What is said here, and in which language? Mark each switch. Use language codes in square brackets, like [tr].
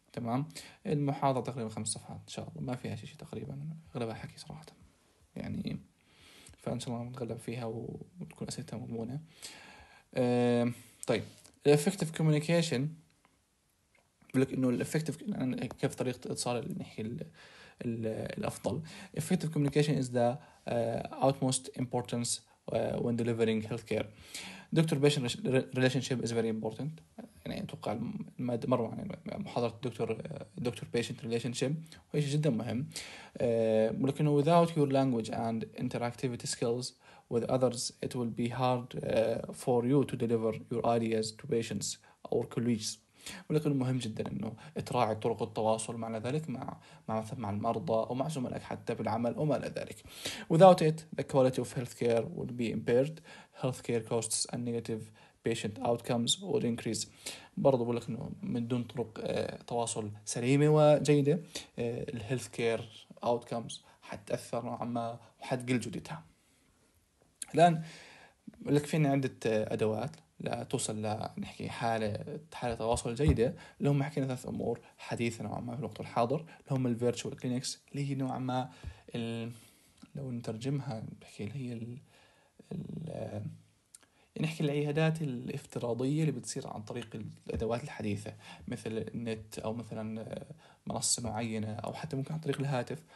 [ar] تمام، المحاضرة تقريبا 5 صفحات إن شاء الله، ما فيها شيء تقريبا، أغلبها حكي صراحة يعني. فإن شاء الله نتغلب فيها وتكون أسئلتها مضمونة. طيب الـ effective communication، بقولك إنه الـ effective كيف طريقة إتصال نحكي الأفضل. [en] effective communication is the utmost importance when delivering healthcare. Doctor patient relationship is very important. [ar] يعني أتوقع المادة مروا عن محاضرة دكتور patient relationship، وهي شيء جدا مهم. ولكنه [en] without your language and interactivity skills with others, it will be hard for you to deliver your ideas to patients or colleagues. [ar] ولكن مهم جدا انه تراعي طرق التواصل مع ذلك مع مثلا مع المرضى او مع زملائك حتى بالعمل او ما الى ذلك. [en] Without it the quality of healthcare would be impaired. Healthcare costs and negative patient outcomes would increase. [ar] برضو بقول لك انه من دون طرق تواصل سليمه وجيده الهيلثكير اوتكمز حتاثر نوعا ما وحتقل جودتها. الان لك فينا عده ادوات لتوصل لنحكي حالة تواصل جيدة، اللي هم حكينا 3 أمور حديثة نوعا ما في الوقت الحاضر، اللي هم الفيرتشوال كلينكس اللي هي نوعا ما لو نترجمها بحكي اللي هي نحكي العيادات الافتراضية اللي بتصير عن طريق الأدوات الحديثة مثل النت أو مثلا منصة معينة أو حتى ممكن عن طريق الهاتف.